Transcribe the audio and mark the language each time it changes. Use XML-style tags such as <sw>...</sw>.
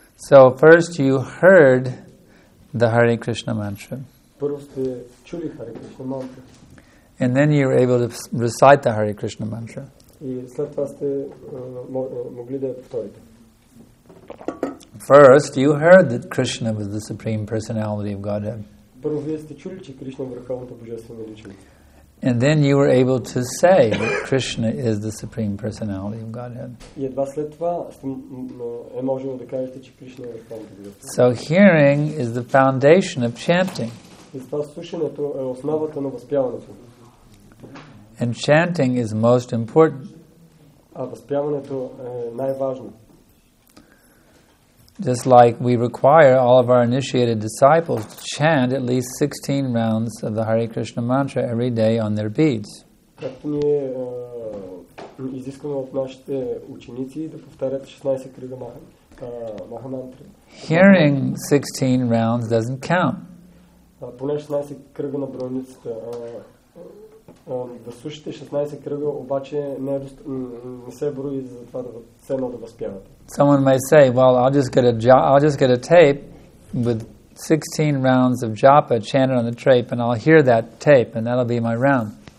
<en>So first you heard the Hare Krishna mantra.</en> <bg>Първо сте чули Hare Krishna mantra.</bg> <en>And then you were able to recite the Hare Krishna mantra.</en> <bg>И след това сте могли да повторите.</bg> <en>First you heard that Krishna was the supreme personality of Godhead.</en> <bg>Първо вие сте чули, че Кришна е върховната божествена личност.</bg> <en>And then you were able to say that Krishna is the supreme personality of Godhead.</en> <bg>И едва след това е можело да кажете, че Кришна е върховната божествена личност.</bg> <en>So hearing is the foundation of chanting.</en> <bg>И това слушането е основата на възпяването.</bg> <en>And chanting is most important.</en> <bg>А възпяването е най-важно.</bg> <en>Just like we require all of our initiated disciples to chant at least 16 rounds of the Hare Krishna mantra every day on their beads.</en> <bg>Както ние изискваме от нашите ученици да повтарят 16 круга маха мантра.</bg> <en>Hearing 16 rounds doesn't count.</en> <bg>Поне 16 круга на броницата. Да слушате 16 кръга, обаче не се брои за това да цено да възпявате.</bg> <en>Someone may say, well, I'll just get a tape with 16 rounds of japa chanted on the tape and I'll hear that tape and that'll be my round.</en>